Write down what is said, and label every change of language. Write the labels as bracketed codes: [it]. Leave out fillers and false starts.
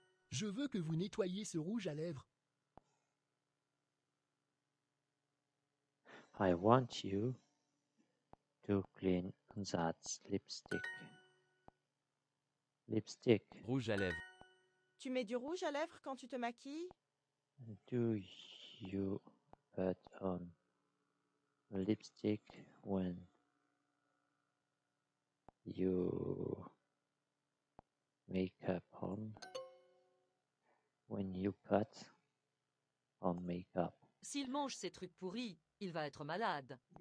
[fr] Je veux que vous nettoyiez ce rouge à lèvres. [en] I want you to clean that lipstick. Lipstick. [fr] Rouge à lèvres. Tu mets du rouge à lèvres quand tu te maquilles? [en] Do you put on lipstick when you makeup on? When you put on makeup? [fr] S'il mange ces trucs pourris, il va être malade.